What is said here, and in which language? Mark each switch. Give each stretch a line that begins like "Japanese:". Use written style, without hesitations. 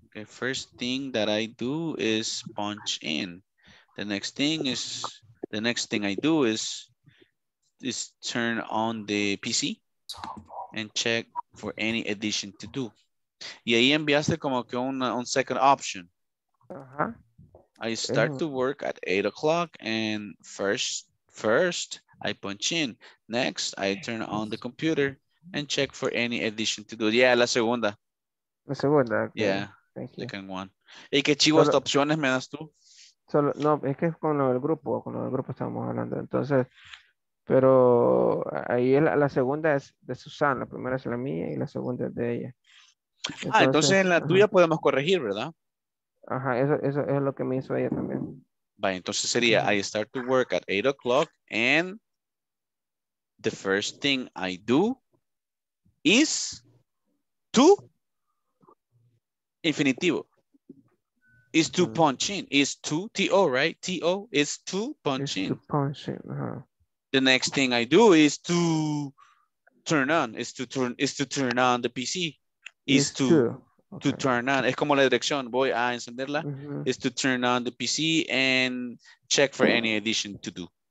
English: Okay, first thing that I do is punch in. The next thing I do is turn on the PC and check for any edition to do.
Spanish: Y ahí enviaste como que un
English: second option.
Spanish: Ajá. Uh-huh.
English: I start to work at 8 o'clock, and first I punch in. Next, I turn on the computer and check for any addition to do. Yeah,
Spanish: la segunda. La segunda. Okay.
English: Yeah. Thank you. Second one.
Spanish: ¿Y qué chivas opciones me das tú? Solo, no, es que con lo del grupo estamos hablando. Entonces, pero ahí la segunda es de Susana. La primera es la mía y la segunda es de ella. Entonces en la tuya podemos corregir, ¿verdad? Ajá, eso es lo que me hizo ella también. Vale, entonces sería,
English: I start to work at 8 o'clock and the first thing I do is to, infinitivo, is to punch in, is to, T-O, right? T-O, is to punch in. To punch in, ajá. the next thing I do is to turn on, is to turn on the PC, is to turn on.
Spanish: Es como la dirección, voy a encenderla, mm-hmm.
English: is to turn on the PC and check for any addition to do.